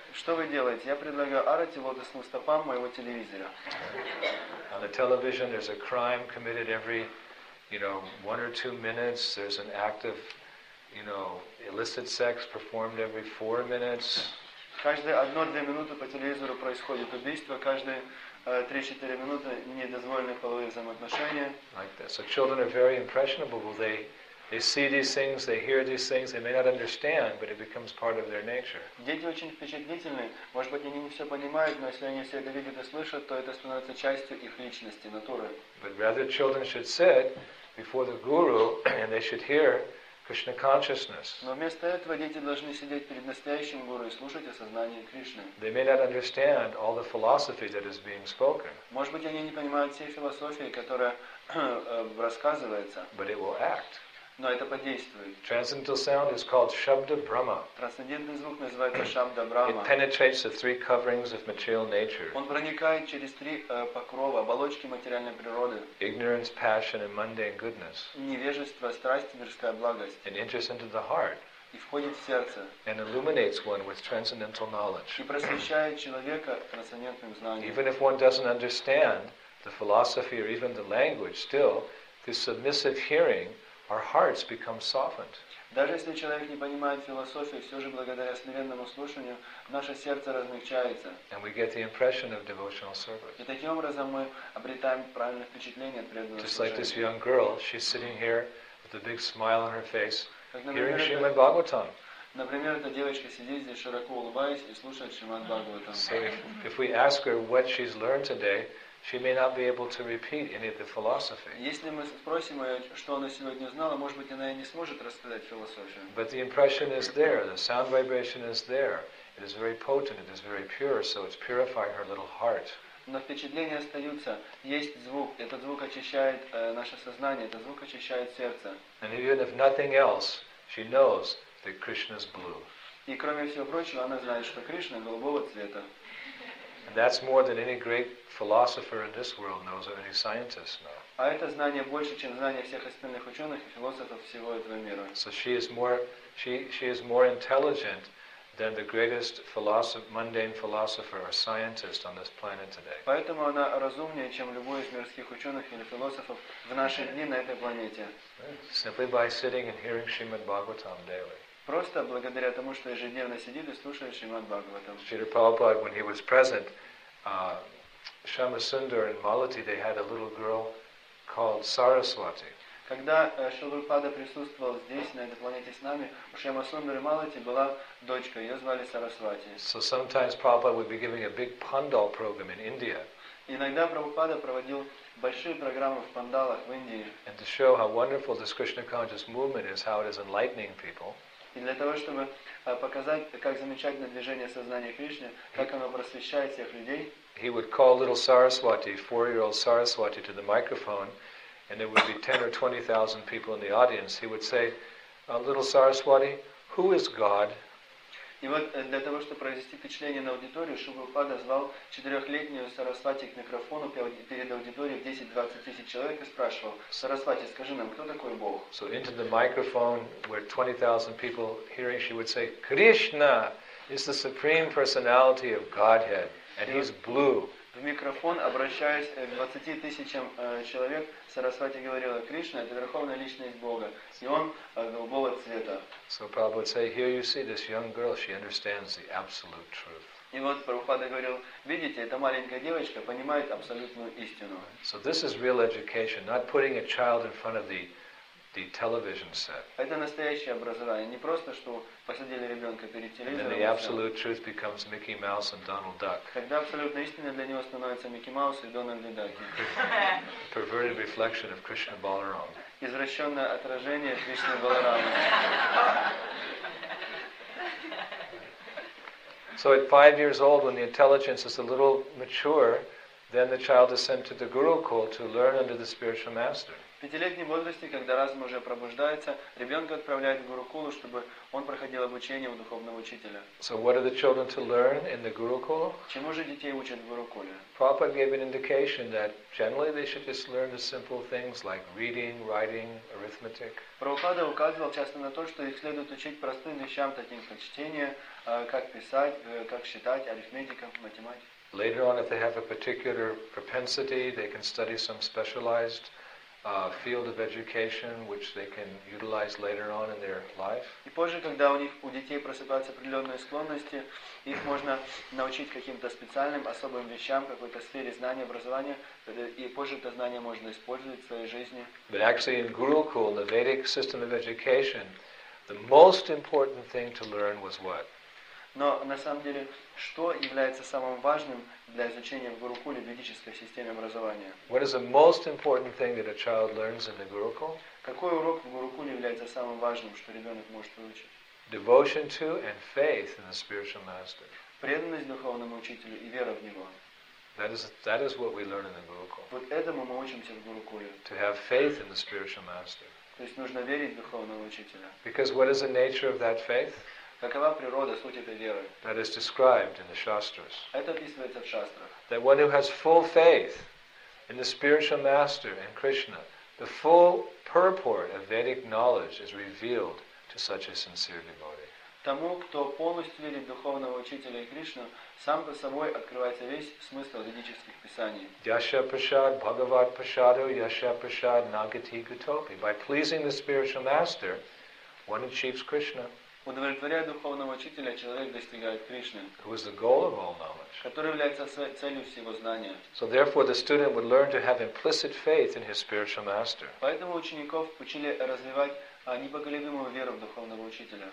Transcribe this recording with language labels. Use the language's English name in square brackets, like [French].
[Russian] Что вы делаете? Я предлагаю арати лотосным стопам моего телевизора. [English] On the television, there's a crime committed every, you know, 1 or 2 minutes. There's an act of, you know, illicit sex performed every 4 minutes. [Russian] Каждые 1-2 минуты по телевизору происходит убийство. Каждые 3-4 минуты недозволенные половые взаимоотношения. [English] Like that. So children are very impressionable. Will they? They see these things, they hear these things, they may not understand, but it becomes part of their nature. [Russian] Дети очень впечатлительны. Может быть, они не все понимают, но если они все это видят и слышат, то это становится частью их личности, натуры. [English] But rather, children should sit before the guru and they should hear Krishna consciousness. [Russian] Но вместо этого дети должны сидеть перед настоящим гуру и слушать осознание Кришны. [English] They may not understand all the philosophy that is being spoken. [Russian] Может быть, они не понимают всей философии, которая рассказывается. [English] But it will act. [Russian] Но это подействует. [English] Transcendental sound is called Shabda Brahma. [Russian] Трансцендентный звук называется Шабда Брахма. [English] It penetrates the three coverings of material nature. [Russian] Он проникает через три покрова, оболочки материальной природы. [English] Ignorance, passion and mundane goodness. [Russian] Невежество, страсть, мирская благость. [English] It enters into the heart. [Russian] И входит в сердце. [English] And illuminates one with transcendental knowledge. [Russian] И просвещает человека трансцендентным знанием. [English] Even if one doesn't understand the philosophy or even the language, still through submissive hearing, our hearts become softened. [Russian] Даже если человек не понимает философии, все же благодаря смиренному слушанию наше сердце размягчается. [English] And we get the impression of devotional service. [Russian] И таким образом мы обретаем правильное впечатление от преданного служения. [English] Just like this young girl, she's sitting here with a big smile on her face, hearing Srimad Bhagavatam. [Russian] Например, эта девочка сидит здесь, широко улыбаясь и слушает Шримад Бхагаватам. [English] So if we ask her what she's learned today, she may not be able to repeat any of the philosophy. [Russian] Если мы спросим ее, что она сегодня знала, может быть, она и не сможет рассказать философию. [English] But the impression is there. The sound vibration is there. It is very potent. It is very pure. So it's purifying her little heart. [Russian] Но впечатления остаются. Есть звук. Этот звук очищает наше сознание. Этот звук очищает сердце. [English] And even if nothing else, she knows that Krishna is blue. [Russian] И кроме всего прочего, она знает, что Кришна голубого цвета. [English] And that's more than any great philosopher in this world knows or any scientist knows. [Russian] А это знание больше, чем знание всех остальных ученых и философов всего этого мира. [English] So she is more intelligent than the greatest mundane philosopher or scientist on this planet today. [Russian] Поэтому она разумнее, чем любой из мирских ученых или философов в наши дни на этой планете. [English] Simply by sitting and hearing Srimad Bhagavatam daily. [Russian] Просто благодаря тому, что ежедневно сидит и слушает Шримад Бхагаватам. [English] Шрила Прабхупада, when he was present, Shyamasundara and Malati, they had a little girl called Saraswati. [Russian] Когда Шрила Прабхупада присутствовал здесь, на этой планете с нами, у Шьямасундары и Малати была дочка, ее звали Сарасвати. [English] So sometimes Prabhupada would be giving a big Pandal program in India. [Russian] Иногда Прабхупада проводил большие программы в Пандалах в Индии. [English] And to show how wonderful this Krishna conscious movement is, how it is enlightening people. [Russian] И для того, чтобы показать, как замечательно движение сознания Кришны, как оно просвещает всех людей. [English] He would call little Saraswati, 4-year-old Saraswati, to the microphone, and there would be 10 or 20,000 people in the audience. He would say, little Saraswati, who is God? [Russian] И вот для того, чтобы произвести впечатление на аудиторию, Шубхупада звал 4-летнюю Сарасвати к микрофону перед аудиторией в 10-20 тысяч человек и спрашивал: «Сарасвати, скажи нам, кто такой Бог?» [English] So into the microphone, where 20,000 people hearing, she would say, «Krishna is the supreme personality of Godhead, and he's blue». [Russian] В микрофон, обращаясь к 20 тысячам человек, Сарасвати говорила: «Кришна — это верховная личность Бога, и он голубого цвета». [English] So Prabhupada would say, here you see this young girl, she understands the absolute truth. [Russian] И вот Прабхупада говорил: видите, эта маленькая девочка понимает абсолютную истину. [English] So this is real education, not putting a child in front of the television set. [Russian] Это настоящее образование, не просто что посадили ребенка перед телевизором. [English] And then the absolute truth becomes Mickey Mouse and Donald Duck. [Russian] Когда абсолютная истина для него становится Микки Маус и Дональд Дак. [English] Perverted reflection of Krishna Balaram. [Russian] Извращенное отражение Кришны Баларамы. [English] So at 5 years old, when the intelligence is a little mature, then the child is sent to the Gurukul to learn under the spiritual master. [Russian] В пятилетнем возрасте, когда разум уже пробуждается, ребенка отправляют в Гурукулу, чтобы он проходил обучение у духовного учителя. [English] So what are the children to learn in the Gurukula? [Russian] Чему же детей учат в Гурукуле? [English] Prabhupada gave an indication that generally they should just learn the simple things like reading, writing, arithmetic. [Russian] Прабхупада указывал часто на то, что их следует учить простым вещам, таким как чтение, как писать, как считать, арифметика, математика. [English] Later on, if they have a particular propensity, they can study some specialized field of education which they can utilize later on in their life. [Russian] И позже, когда у детей просыпаются определенные склонности, их можно научить каким-то специальным, особым вещам, какой-то сфере знания, образования, и позже это знание можно использовать в своей жизни. [English] But actually in Gurukul, the Vedic system of education, the most important thing to learn was what? [Russian] Но на самом деле, что является самым важным для изучения в Гурукуле в ведической системе образования? [English] What is the most important thing that a child learns in the Gurukul? [Russian] Какой урок в Гурукуле является самым важным, что ребенок может выучить? [English] Devotion to and faith in the spiritual master. [Russian] Преданность духовному учителю и вера в него. [English] That is what we learn in the Gurukul. [Russian] Вот этому мы учимся в Гурукуле. [English] To have faith in the spiritual master. [Russian] То есть нужно верить в духовного учителя. [English] Because what is the nature of that faith? [Russian] Какова природа, суть этой веры? [English] That is described in the Shastras. [Russian] Это описывается в шастрах. [English] That one who has full faith in the spiritual master, in Krishna, the full purport of Vedic knowledge is revealed to such a sincere devotee. [Russian] Тому, кто полностью верит в духовного учителя и Кришну, сам по собой открывается весь смысл ведических писаний. [Sanskrit] Яша Прашад, Бхагават Прашаду, Яша Прашад, Нагати Гутопи. [English] By pleasing the spiritual master, one achieves Krishna. [Russian] Удовлетворяя духовного учителя, человек достигает Кришны, who is the goal of all knowledge. Который является целью всего знания. [English] So therefore the student would learn to have implicit faith in his spiritual master. [Russian] Поэтому учеников учили развивать непоколебимую веру в духовного учителя.